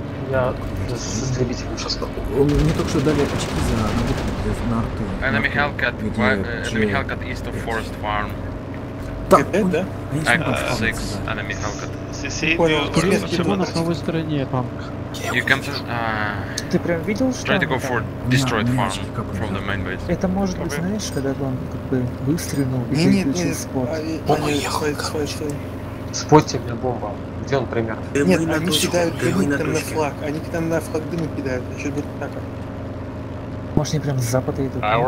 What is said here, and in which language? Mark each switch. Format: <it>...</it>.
<ru>Я с истребителем сейчас попробую. Мне только что дали очки за арты.</ru> <en>Enemy Hellcat east of Forest Farm.</en> <ru>Так,</ru> <en>да? Six, enemy Hellcat.</en> <ru>Почему на новой стороне танк?</ru> <en>You can</en> <ru>Ты прям видел, что</ru> <en>try to go for destroyed farm from the main base.</en> <ru>Это может быть, знаешь, когда он как бы выстрелил и выключил спот. Он уехал. Спотте мне бомба. Где он примерно? Нет, они кидают дымитер на флаг. Они там на флаг дыма кидают. Еще будет так. Может, они прям с запада идут?</ru>